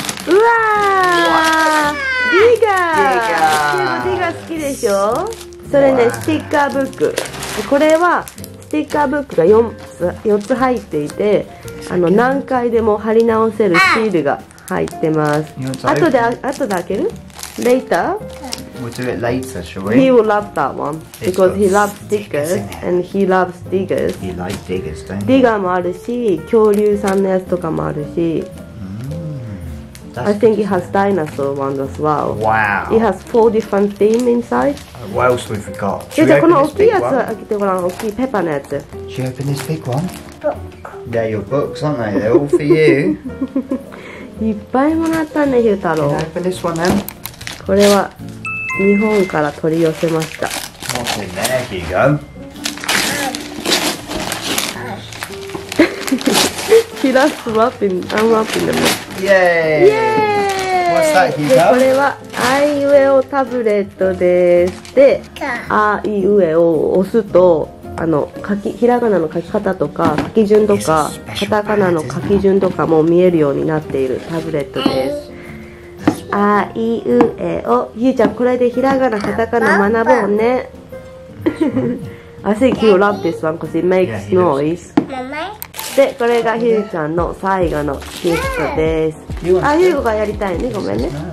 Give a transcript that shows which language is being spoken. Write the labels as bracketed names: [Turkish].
[Japanese] うわでしょ。それね、スティッカーブック。これはスティッカーブックが4つ入っていて、あの何回でも貼り直せるシールが入ってます。後で開ける。 [English] Later? We'll do it later, shall we? He will love that one because he loves stickers and he loves diggers. He likes diggers, don't he? [Japanese] ディガーもあるし、恐竜さんのやつとかもあるし。 [English] I think it has dinosaur ones as well. Wow. It has four different themes inside. What else have we got? Should we open this big one? [Japanese] Yeah, この大きいやつ開けてごらん。大きいペパのやつ。 [English] Should we open this big one? Book. They're your books, aren't they? They're all for you. [Japanese] いっぱいもらったね、ヒュー太郎。 [English] Can I open this one then? [Japanese] これは日本から取り寄せました。 [English] What's in there? Here you go. He loves wrapping. I'm wrapping them up. Yay! Yay! What's that, Hugo? This is an iUEO tablet. And iUEO, you press it, the hiragana writing, the order, and the katakana writing can be seen on the tablet. iUEO. Yu-chan, you learn hiragana and katakana, right? I think you love this one because it makes noise. [Japanese] で、これがヒューちゃんの最後のギフトです。あ、ヒューゴがやりたいね、ごめんね。